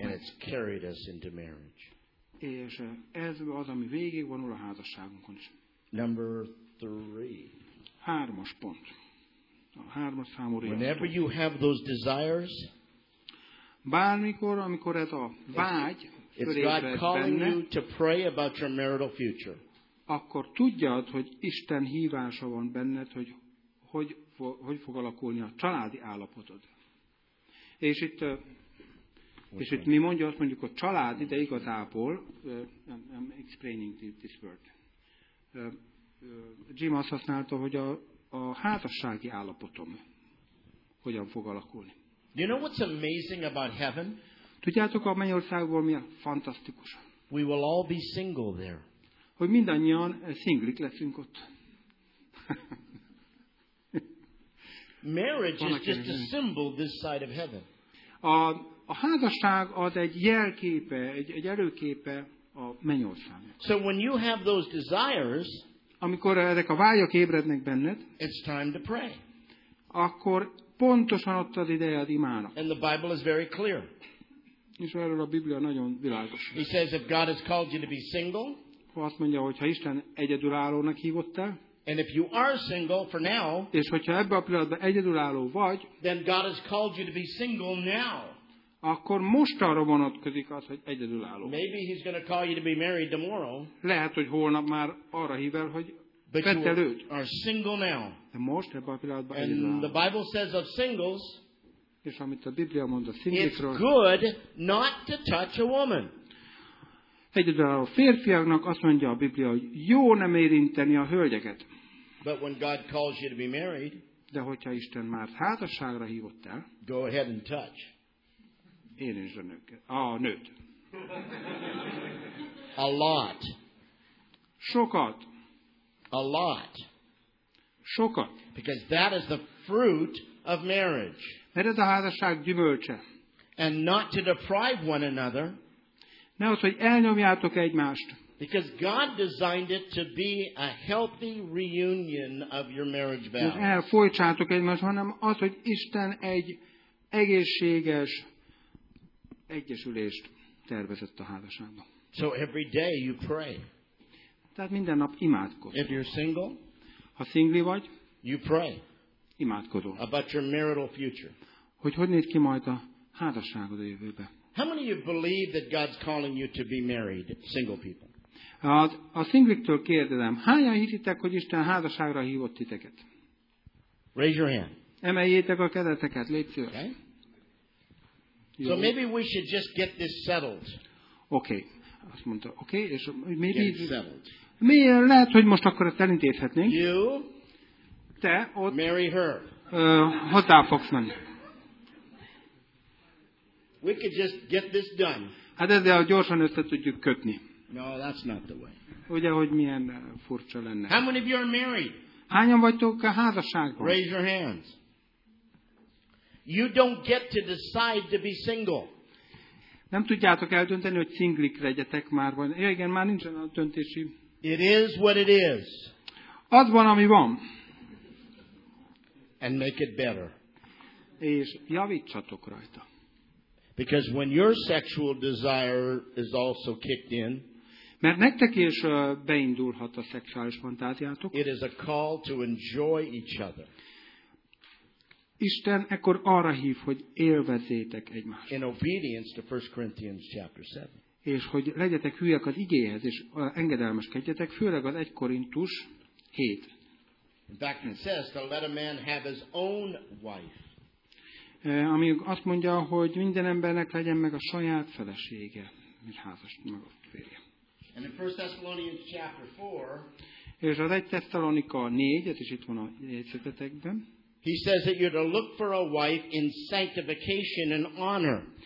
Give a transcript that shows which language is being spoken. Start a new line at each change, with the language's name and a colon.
English: And it's carried us into marriage.
Hungarian: És ez az, ami végigvonul a házasságunkon is.
English: Number three.
Hungarian: Hármas pont. A hármas számú részt.
English: Whenever you have those desires,
Hungarian: bármikor, amikor ez a vágy,
English: it's God calling you to pray about your marital future.
Hungarian: Akkor tudjad, hogy Isten hívása van benned, hogy hogy fog alakulni a családi állapotod. És itt mi mondja, azt mondjuk a család, de igazából
English: I'm explaining this word.
Hungarian: Jim azt használta, hogy a házassági állapotom hogyan fog alakulni.
English: You know what's amazing about heaven?
Hungarian: Tudjátok, a mennyországból mi a fantasztikus?
English: We will all be single there.
Hungarian: Hogy mindannyian szinglik leszünk ott.
English: Marriage is just a symbol this side of heaven.
Hungarian: A házasság az egy jelképe, egy előképe a mennyországnak.
English: So when you have those desires,
Hungarian: amikor ezek a vágyak ébrednek benned,
English: it's time to pray.
Hungarian: Akkor pontosan ott az ideje az imának.
English: And the Bible is very clear.
Hungarian: És erről a Biblia nagyon világos.
English: He says if God has called you to be single,
Hungarian: azt mondja, hogy ha Isten egyedülállónak hívott el,
English: and if you are single for now,
Hungarian: és hogyha ebben a pillanatban egyedülálló vagy,
English: then God has called you to be single now.
Hungarian: Akkor mostanra vonatkozik az, hogy egyedülálló.
English: Maybe he's going to call you to be married tomorrow.
Hungarian: Lehet, hogy holnap már arra hív el, hogy vett előtt.
English: But you are single now.
Hungarian: De most ebben a pillanatban
English: and
Hungarian: egyedülálló.
English: And the Bible says of singles,
Hungarian: és amit a Biblia mond a szinglikről,
English: it's good not to touch a woman.
Hungarian: Egyedülálló férfiaknak azt mondja a Biblia, hogy jó nem érinteni a hölgyeket.
English: But when God calls you to be married,
Hungarian: de hogyha Isten már házasságra hívott el,
English: go ahead and touch.
Hungarian: Érintsd a nőket. A nőt.
English: A lot.
Hungarian: Sokat.
English: A lot.
Hungarian: Sokat.
English: Because that is the fruit of marriage.
Hungarian: Mert ez a házasság gyümölcse.
English: And not to deprive one another.
Hungarian: Ne az, hogy elnyomjátok egymást.
English: Because God designed it to be a healthy reunion of your marriage vows.
Hungarian: Ne elfolytsátok egymást, hanem az, hogy Isten egy egészséges egyesülést tervezett a házasságban.
English: So every day you pray.
Hungarian: Tehát minden nap imádkozol.
English: If you're single,
Hungarian: ha szingli vagy,
English: you pray.
Hungarian: Imádkozol.
English: About your marital future.
Hungarian: Hogy néz ki majd a házasságod a jövőbe?
English: How many of you believe that God's calling you to be married, single people?
Hungarian: A szingliktől kérdezem, hányan hititek, hogy Isten házasságra hívott titeket?
English: Raise your hand.
Hungarian: Emeljétek a kezeteket, légy szíves.
English: Okay. So maybe we should just get this settled. Okay.
Hungarian: Azt mondta, oké, és miért lehet, hogy most akkor ezt elintézhetnénk?
English: You,
Hungarian: te ott
English: marry her.
Hungarian: Hozzá fogsz menni.
English: We could just get this done.
Hungarian: Hát ezzel gyorsan össze tudjuk kötni.
English: No, that's not the way.
Hungarian: Ugye, hogy milyen furcsa lenne.
English: How many of you are married?
Hungarian: Hányan vagytok a házasságban?
English: Raise your hands. You don't get to decide to be single.
Hungarian: Nem tudjátok eldönteni, hogy szinglik legyetek már. Ja, igen, már nincsen a döntési.
English: It is what it is.
Hungarian: Az van, ami van.
English: And make it better.
Hungarian: És javítsatok rajta.
English: Because when your sexual desire is also kicked in,
Hungarian: mert nektek is beindulhat a szexuális fantáziátok.
English: It is a call to enjoy each other.
Hungarian: Isten ekkor arra hív, hogy élvezzétek egymást.
English: In obedience to 1 Corinthians chapter 7.
Hungarian: És hogy legyetek hűek az igéhez, és engedelmeskedjetek, főleg az 1 Korintus 7.
English: In fact, it says to let a man have his own wife.
Hungarian: Ami azt mondja, hogy minden embernek legyen meg a saját felesége, mint házas maga férje.
English: And in 1 Thessalonians chapter 4,
Hungarian: és az 1 Thessalonika 4, ez is itt van a jegyzetetekben.
English: He says that you're to look for a wife in sanctification and honor.